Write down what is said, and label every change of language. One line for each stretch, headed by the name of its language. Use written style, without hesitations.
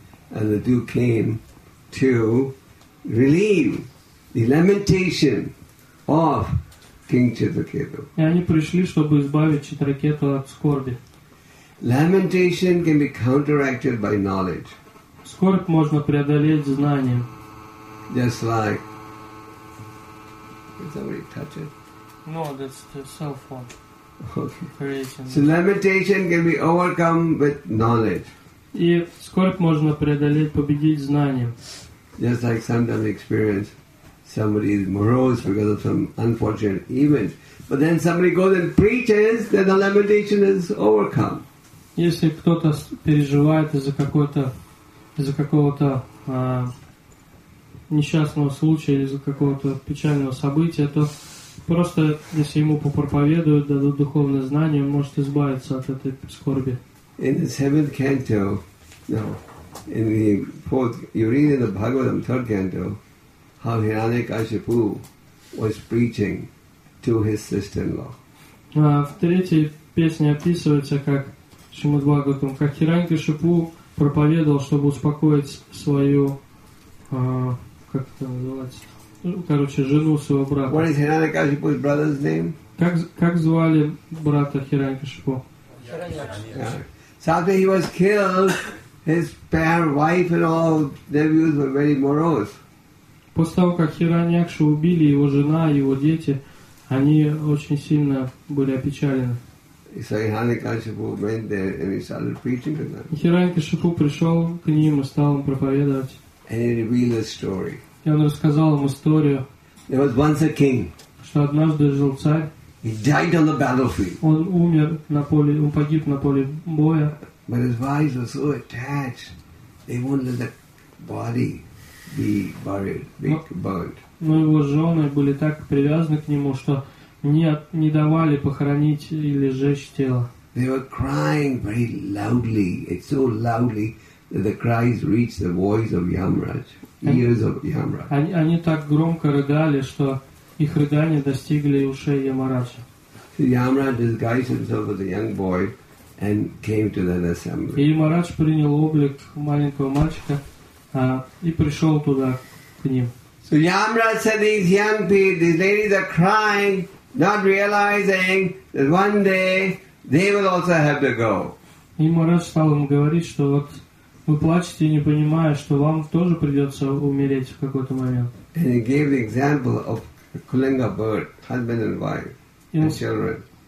English: And the two came to relieve the lamentation of King Chitraketu.
Russian: И они пришли, чтобы избавить Читракету от скорби.
English: Lamentation can be counteracted by knowledge.
Russian: Скорбь можно преодолеть знанием.
English: Just like, did somebody touch it? No, that's the cell phone. Okay. So limitation can be overcome with knowledge.
Russian: И скорбь можно преодолеть, победить знанием.
English: Just like sometimes experience, somebody is morose because of some unfortunate event. But then somebody goes and preaches, then the limitation is overcome.
Russian: Если кто-то переживает из-за какого-то несчастного случая, из-за какого-то печального события, то просто если ему попроповедуют, дадут духовное знание, он может избавиться от этой скорби.
English: In the seventh canto, no, in the fourth, you read in the Bhagavatam, third canto, how Hiranyakashipu was preaching to his sister-in-law.
Russian: В третьей песне описывается, как Шримад Бхагаватам, как Хиранькашипу проповедовал, чтобы успокоить свою, как это называется, короче, жену своего брата.
English: What is Hiranyakashipu's brother's name?
Russian: Как звали брата Хиранькашипу?
English: So after he was killed, his pair, wife and all devotees were very morose.
Russian: После того, как Хираньякшу убили, его жена и его дети, они очень сильно были опечалены.
English: So Хираньякшу went there and he started preaching to them.
Russian: Хираньякшу пришел к ним и стал им проповедовать.
English: And he revealed a story.
Russian: И он рассказал им историю.
English: There was once a king.
Russian: Что однажды жил царь.
English: He died on the battlefield.
Russian: Он умер на поле, он погиб на поле боя.
English: But his wives were so attached, they wouldn't let the body be buried, be burned.
Russian: Но его жены были так привязаны к нему, что не давали похоронить или сжечь тело.
English: They were crying very loudly. It's so loudly that the cries reached the voice of Yamraj, ears of Yamraj.
Russian: Они так громко рыдали, что их рыдания достигли ушей Ямараджа.
English: Ямарадж disguised himself as a young boy and came to that assembly.
Russian: И Ямарадж принял облик маленького мальчика и пришел туда к ним.
English: So Yamraj said, these young people, these ladies are crying, not realizing that one day they will also have to go.
Russian: И Ямарадж стал им говорить, что вот вы плачете, не понимая, что вам тоже придется умереть в какой-то момент.
English: And he gave the example of a kulinga bird, husband and wife, and children.